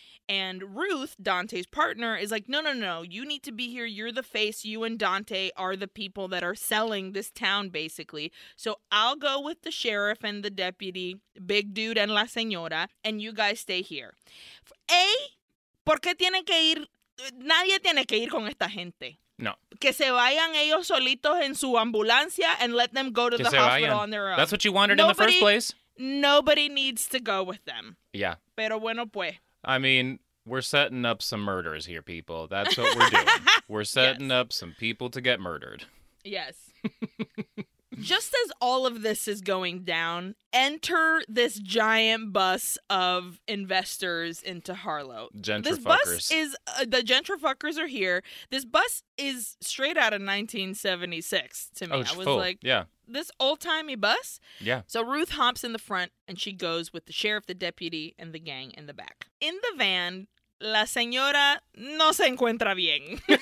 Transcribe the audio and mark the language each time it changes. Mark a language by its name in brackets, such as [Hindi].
[English] And Ruth, Dante's partner, is like, no, you need to be here. You're the face. You and Dante are the people that are selling this town, basically. So I'll go with the sheriff and the deputy, big dude and la señora, and you guys stay here. [Spanish] ¿Por qué tienen que ir? Nadie tiene que ir con esta gente. No. Que se vayan ellos solitos en su ambulancia [English] and let them go to the hospital on their own. That's what you wanted in the first place. Nobody needs to go with them. Yeah. [Spanish] Pero bueno, pues. [English] I mean, We're setting up some murders here, people. That's what we're doing. We're setting up some people to get murdered. Yes. Just as all of this is going down, enter this giant bus of investors into Harlow. Gentrifuckers. This bus is, the gentrifuckers are here. This bus is straight out of 1976 to me. Oh, I was full. Like, yeah. This old-timey bus? Yeah. So Ruth hops in the front, and she goes with the sheriff, the deputy, and the gang in the back. In the van, [Spanish] la señora no se encuentra bien.